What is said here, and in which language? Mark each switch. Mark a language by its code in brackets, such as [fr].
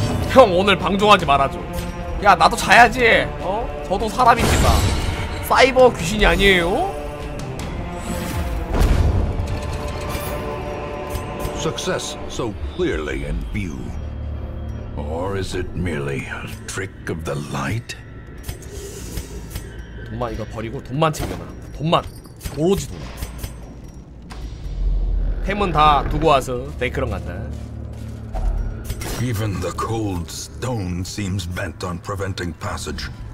[ko] 형 오늘 방종하지 말아줘. 야 나도 자야지. 어? 저도 사람입니다. 사이버 귀신이 아니에요. [en] Success so clearly in view, or is it merely a trick of the light? [ko] 돈만 이거 버리고 돈만 챙겨놔. 돈만 오로지 돈. 템은 다 두고 와서 내 그런 거다. [en] Even the cold stone seems bent on preventing passage.